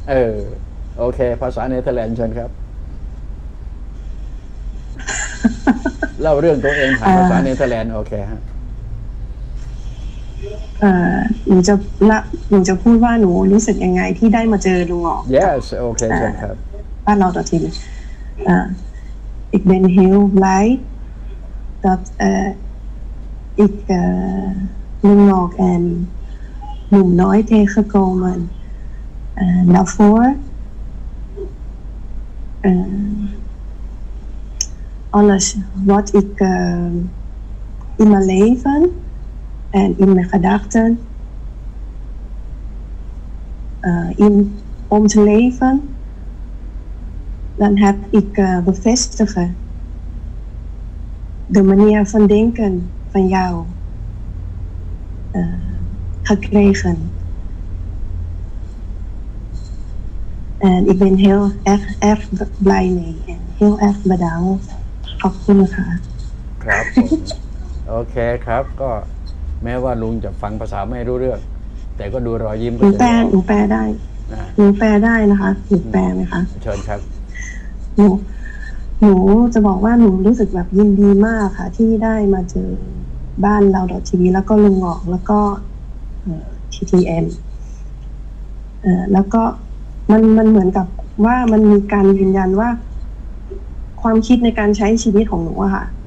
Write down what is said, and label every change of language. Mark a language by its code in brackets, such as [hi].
[th] เออโอเคภาษาเนเธอร์แลนด์เชิญครับเล่าเรื่องตัวเองผ่านภาษาเนเธอร์แลนด์โอเคฮะ หนูจะละหนูจะพูดว่าหนูรู้สึกยังไงที่ได้มาเจอลุงหงอก yes โอเคเชิญครับ บ้านเราต่อที [nl] Ik ben heel blij dat ik Lungok en Lung Noi tegengekomen. Daarvoor alles wat ik in mijn leven en in mijn gedachten in om te leven, dan heb ik bevestigen. De manier van denken van jou gekregen. En ik ben heel erg blij mee. En heel erg bedankt. [th] ขอบคุณค่ะ ครับโอเคครับก็แม้ว่าลุงจะฟังภาษาไม่รู้เรื่องแต่ก็ดูรอยยิ้ม หนูแปลได้ หนูแปลได้นะคะหนูแปลไหมคะ เชิญครับ หนูจะบอกว่าหนูรู้สึกแบบยินดีมากค่ะที่ได้มาเจอบ้านเราดอททีวีแล้วก็ลุงหงอกแล้วก็TTM แล้วก็มันเหมือนกับว่ามันมีการยืนยันว่าความคิดในการใช้ชีวิตของหนูอะค่ะ